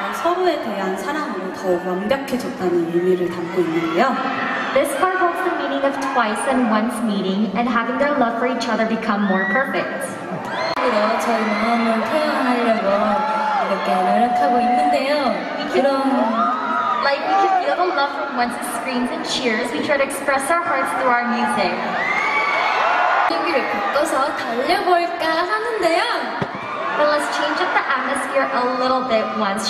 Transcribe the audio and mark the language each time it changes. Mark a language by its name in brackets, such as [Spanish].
[Korean] 피부에 대한 사랑으로 더 완벽해졌다는 의미를 담고 있는데요. [English] This card holds the meaning of twice and once meeting and having their love for each other become more perfect. [Korean] 저희 마음을 표현하려고 이렇게 노력하고 있는데요. [English] Like we can feel the love from once it screams and cheers, we try to express our hearts through our music. [Korean] 여기를 바꿔서 달려볼까 하는데요. [English] But let's change up the atmosphere a little bit once.